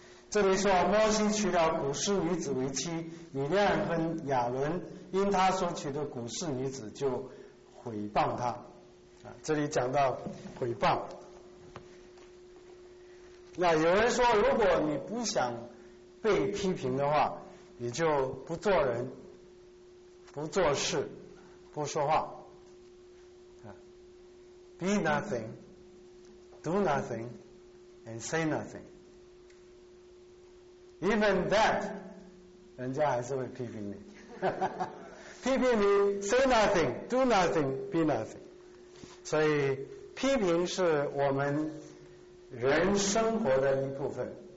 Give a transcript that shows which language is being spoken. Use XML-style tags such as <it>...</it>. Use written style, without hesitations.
<zh>这里说摩西娶了古示女子为妻，米甸和亚伦因他所娶的古示女子就毁谤他。这里讲到毁谤，那有人说，如果你不想被批评的话，你就不做人，不做事，不说话。</zh> <en>Be nothing, do nothing, and say nothing. Even that,</en> <zh>人家还是会批评你。批评你 ，</zh> <en>say nothing, do nothing, be nothing.</en> <zh>所以批评是我们人生活的一部分。</zh>